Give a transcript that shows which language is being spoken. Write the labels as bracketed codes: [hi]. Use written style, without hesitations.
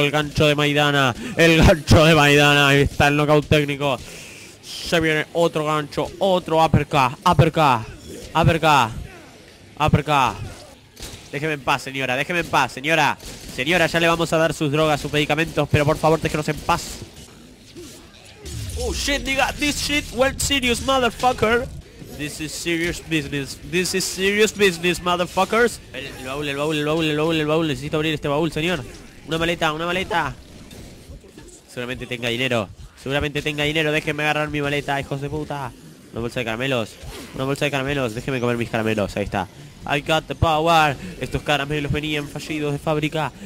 [es] El gancho de Maidana, el gancho de Maidana, ahí está el knockout técnico. Se viene otro gancho, otro uppercut, uppercut, uppercut, uppercut. Déjeme en paz, señora, déjeme en paz, señora. Señora, ya le vamos a dar sus drogas, sus medicamentos, pero por favor, déjenos en paz. [en] Oh, shit, nigga, this shit went serious, motherfucker. This is serious business. This is serious business, motherfuckers. [es] El baúl, el baúl, el baúl, el baúl, el baúl. Necesito abrir este baúl, señor. Una maleta, una maleta. Seguramente tenga dinero. Seguramente tenga dinero. Déjenme agarrar mi maleta, hijos de puta. Una bolsa de caramelos. Una bolsa de caramelos. Déjenme comer mis caramelos. Ahí está. [en] I got the power. [es] Estos caramelos venían fallidos de fábrica.